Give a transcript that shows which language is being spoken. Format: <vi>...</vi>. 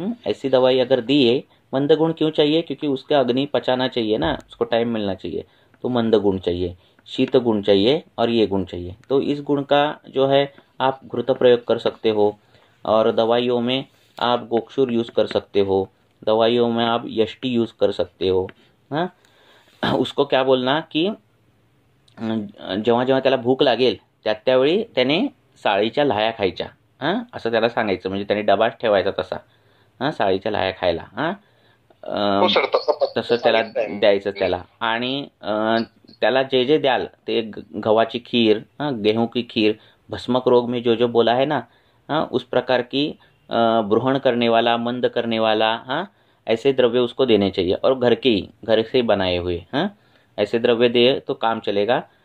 <hi>ऐसी दवाई अगर दिए, मंद गुण क्यों चाहिए? क्योंकि उसका अग्नि पचाना चाहिए ना, उसको टाइम मिलना चाहिए. तो मंद गुण चाहिए, शीत गुण चाहिए, और ये गुण चाहिए. तो इस गुण का जो है आप घृत प्रयोग कर सकते हो, और दवाइयों में आप गोक्षुर यूज़ कर सकते हो, दवाइयों में आप यष्टि यूज़ कर सकते हो.</hi> <mr>हाँ,</mr> <hi>उसको क्या बोलना कि</hi> <mr>जेव्हा जेव्हा त्याला भूक लागेल त्या त्यावेळी त्याने साळीच्या लाह्या खायच्या, हां, असं त्याला सांगायचं. म्हणजे त्याने डबा ठेवायचा तसा, हां, साळीच्या लाह्या खायला, हां, हो सर, तसं तसं पथ्य त्याला सांगितलं आहे मी. द्यायचं त्याला. आणि त्याला जे जे द्याल, ते गव्हाची खीर,</mr> <hi>हां, गेहूं की खीर, भस्मक रोग में जो जो बोला है ना, हां, उस प्रकार की ब्रूहण करने वाला, मंद करने वाला, हां, ऐसे द्रव्य उसको देने चाहिए, और घर के ही, घर से ही बनाए हुए, हाँ, ऐसे द्रव्य दे तो काम चलेगा.</hi>